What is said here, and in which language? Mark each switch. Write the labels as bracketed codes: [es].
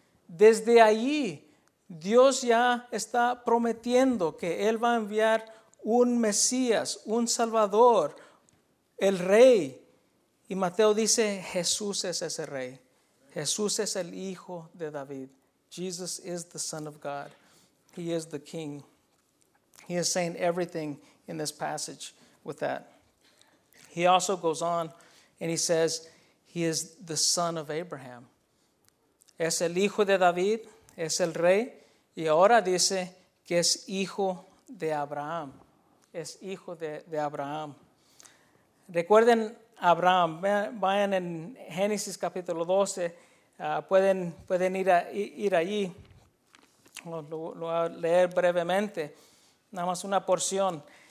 [es] Desde ahí, Dios ya está prometiendo que Él va a enviar un Mesías, un Salvador, el Rey. Y Mateo dice, Jesús es ese Rey. Jesús es el Hijo de David. [en] Jesus is the Son of God. He is the King. He is saying everything in this passage with that. He also goes on and he says, he is the Son of Abraham. [es] Es el Hijo de David, es el Rey. Y ahora dice que es Hijo de Abraham. Es Hijo de Abraham. Recuerden Abraham, vayan en Génesis capítulo 12, pueden ir allí, lo voy a leer brevemente, nada más una porción.